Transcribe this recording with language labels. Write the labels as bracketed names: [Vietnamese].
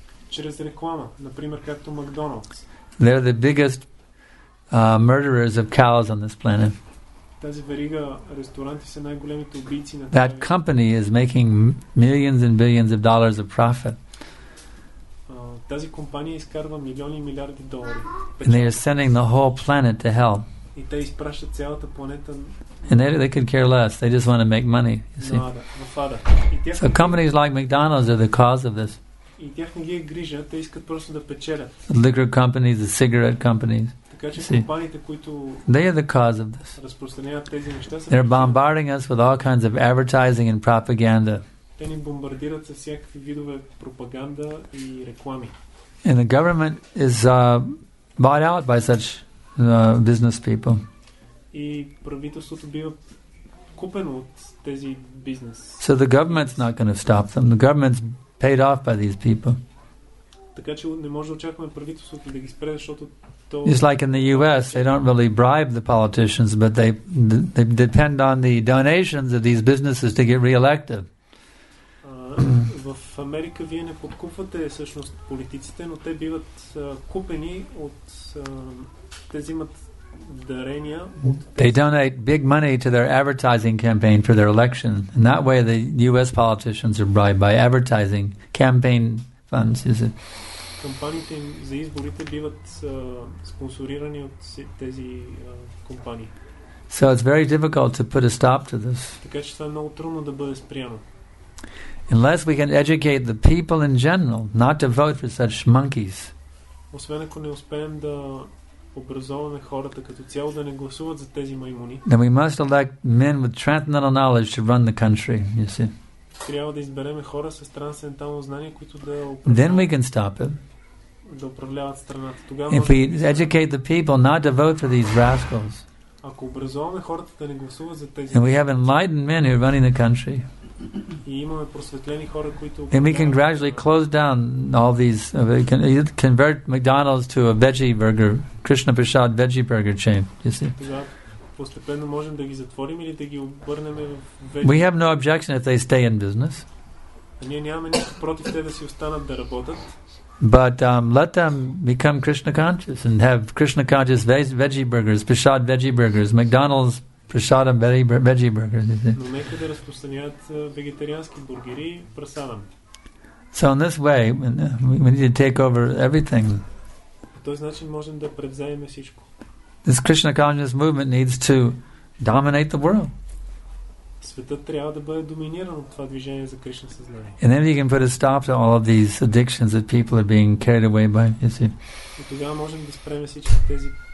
[Bulgarian] Чрез реклама, например, както McDonald's. [English] They're the biggest murderers of cows on this planet. [Bulgarian] Тази верига ресторанти са най-големите убийци на. [English] That company is making millions and billions of dollars of profit. [Bulgarian] Тази компания изкарва милиони и милиарди долари. [English] And they are sending the whole planet to hell. [Bulgarian] И те изпращат цялата планета. [English] And they could care less. They just want to make money. You see? So companies like McDonald's are the cause of this. [Bulgarian] И тях не ги е грижа, те искат просто да печелят. [English] The liquor companies, the cigarette companies. [Bulgarian] Така че компаниите, които. [English] They are the cause of this. [Bulgarian] Разпространяват тези неща. [English] They're bombarding us with all kinds of advertising and propaganda. [Bulgarian] Те ни бомбардират с всякакви видове пропаганда и реклами. [English] And the government is bought out by such business people. [Bulgarian] И правителството бива купено от тези бизнес. [English] So the government's not going to stop them. The government's paid off by these people. [Bulgarian] Така че не може да очакваме правителството да ги спре, защото то. [English] It's like in the US, they don't really bribe the politicians, but they depend on the donations of these businesses to get re-elected. [Bulgarian] В Америка вие не подкупвате всъщност политиците, но те биват купени от тези имат дарения. [English] They donate big money to their advertising campaign for their election. In that way the US politicians are bribed by advertising campaign funds, is it? [Bulgarian] Кампаниите за изборите биват спонсорирани от тези компании. [English] So it's very difficult to put a stop to this. [Bulgarian] Така че това е много трудно да бъде спряно. [English] Unless we can educate the people in general not to vote for such monkeys. [Bulgarian] Освен ако не успеем да образуваме хората като цяло да не гласуват за тези маймуни. [English] Then we must elect men with transcendental knowledge to run the country, you see. [Bulgarian] Трябва да изберем хора с трансцендентално знание, които да управляват. [English] Then we can stop it. [Bulgarian] Да управляват страната. [English] If we educate the people not to vote for these rascals. [Bulgarian] Ако образуваме хората да не гласуват за тези. [English] And we have enlightened men who are running the country. [Bulgarian] И имаме просветлени хора, които. [English] And we can gradually close down all these. We can convert McDonald's to a veggie burger, Krishna Prasad veggie burger chain. You see. [Bulgarian] Постепенно можем да ги затворим или да ги обърнем в. [English] We have no objection if they stay in business. [Bulgarian] Ние нямаме нищо против те да си останат да работят. [English] But let them become Krishna conscious and have Krishna conscious veggie burgers, Prasad veggie burgers, McDonald's. Прасадам veggie burgers. [Bulgarian] Но нека да разпространяват вегетариански бургери прасадам. [English] So in this way, we need to take over everything. [Bulgarian] По този начин можем да превземем всичко. [English] This Krishna consciousness movement needs to dominate the world. [Bulgarian] Светът трябва да бъде доминиран от това движение за Кришна съзнание. [English] And then you can put a stop to all of these addictions that people are being carried away by, you see. [Bulgarian] И тогава можем да спрем всички тези